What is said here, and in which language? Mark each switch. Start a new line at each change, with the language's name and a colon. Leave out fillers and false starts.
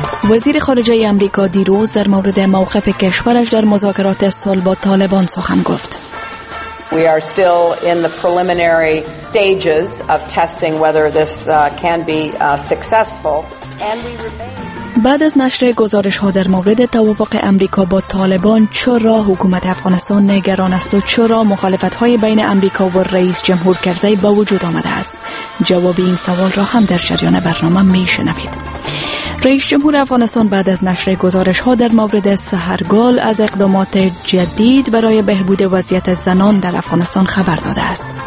Persian: وزیر خارجه امریکا دیروز در مورد موقف کشورش در مذاکرات صلح با طالبان سخن گفت.
English: We are still in the preliminary stages of testing whether this can be successful and we remain.
Persian: بعد از نشر گزارش‌ها در مورد توافق آمریکا با طالبان، چرا حکومت افغانستان نگران است و چرا مخالفت‌های بین آمریکا و رئیس جمهور کرزی با وجود آمده است؟ جواب این سوال را هم در جریان برنامه می‌شنوید. رئیس جمهور افغانستان بعد از نشر گزارش ها در مورد سحرگل از اقدامات جدید برای بهبود وضعیت زنان در افغانستان خبر داده است.